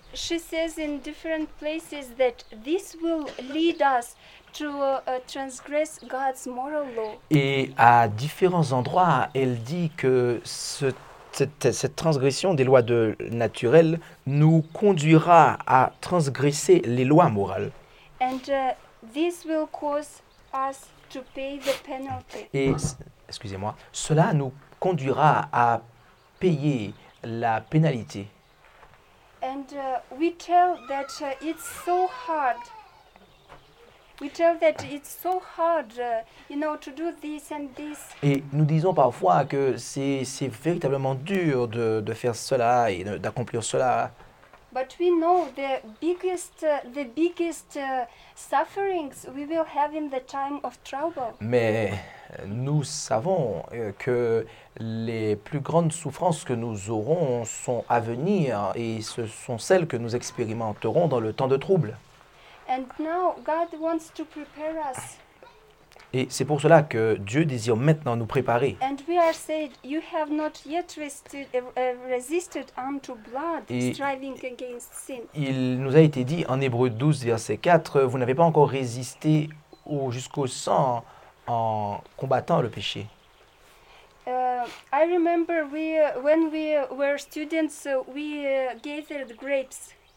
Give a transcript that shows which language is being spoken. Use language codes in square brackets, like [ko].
[en] She says in different places that this will lead us to transgress God's moral law. [fr] Et à différents endroits, elle dit que cette transgression des lois naturelles nous conduira à transgresser les lois morales. [en] And this will cause us to pay the penalty. [fr] Et excusez-moi, cela nous conduira à payer la pénalité. [en] And we tell that it's so hard. We tell that it's so hard, you know, to do this and this. [fr] Et nous disons parfois que c'est véritablement dur de faire cela et d'accomplir cela. [en] But we know the biggest sufferings we will have in the time of trouble. [fr] Mais nous savons que les plus grandes souffrances que nous aurons sont à venir et ce sont celles que nous expérimenterons dans le temps de trouble. [en] And now God wants to prepare us. [fr] Et c'est pour cela que Dieu désire maintenant nous préparer. [en] And we are said, you have not yet resisted unto blood, striving against sin. [fr] Il nous a été dit en Hébreux 12, verset 4, vous n'avez pas encore résisté jusqu'au sang en combattant le péché. [en] I remember when we were students, we gathered grapes.